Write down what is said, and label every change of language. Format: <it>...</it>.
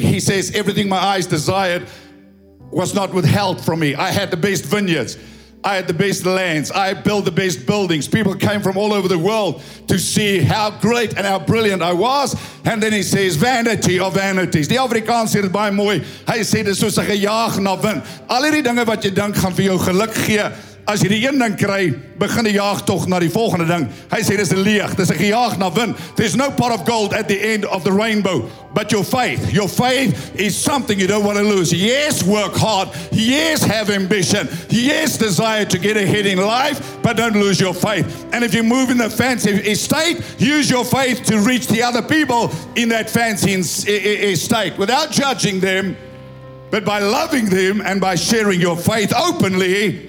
<en>He says, everything my eyes desired was not withheld from me. I had the best vineyards. I had the best lands. I built the best buildings. People came from all over the world to see how great and how brilliant I was. And then he says, vanity of vanities.</en> <af>Die Afrikaans sê dit baie mooi. Hy sê dit soos 'n gejaag na wind. Al hierdie dinge wat jy dink gaan vir jou geluk gee, as jy die een ding kry, begin die jaag tog na die volgende ding. Hy sê dis leeg. Dis 'n gejaag na wind.</af> <en>There's no pot of gold at the end of the rainbow. But your faith is something you don't want to lose. Yes, work hard. Yes, have ambition. Yes, desire to get ahead in life, but don't lose your faith. And if you move in the fancy estate, use your faith to reach the other people in that fancy estate without judging them, but by loving them and by sharing your faith openly.</en>